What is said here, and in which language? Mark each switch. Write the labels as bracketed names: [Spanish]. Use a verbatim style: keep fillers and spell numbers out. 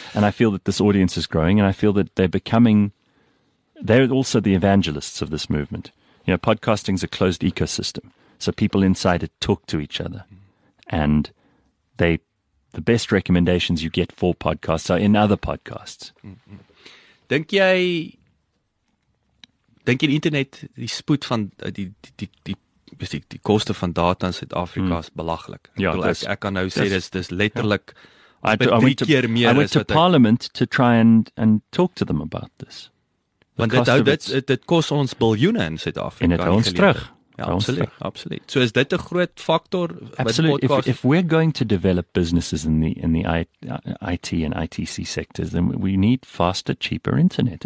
[English] And I feel that this audience is growing, and I feel that they're becoming... They're also the evangelists of this movement. You know, podcasting's a closed ecosystem, so people inside it talk to each other, and they, the best recommendations you get for podcasts are in other podcasts. [Afrikaans] Dink jy, dink jy die internet, die spoed van die die die die, die, die koste van data in Suid-Afrika is belaglik. Ja, ek, bedoel, dis, ek, ek kan nou sê dis dis letterlik. Ja. [English] I, do, I went to, I went to Parliament I, to try and and talk to them about this. [Afrikaans] Want dit hou dit dit kos ons biljoene in Suid-Afrika. En dit hou ons terug. Ja, absoluut, absoluut. So is dit 'n groot factor by podcasts? [English] If we're going to develop businesses in the in the I T and I T C sectors, then we need faster, cheaper internet.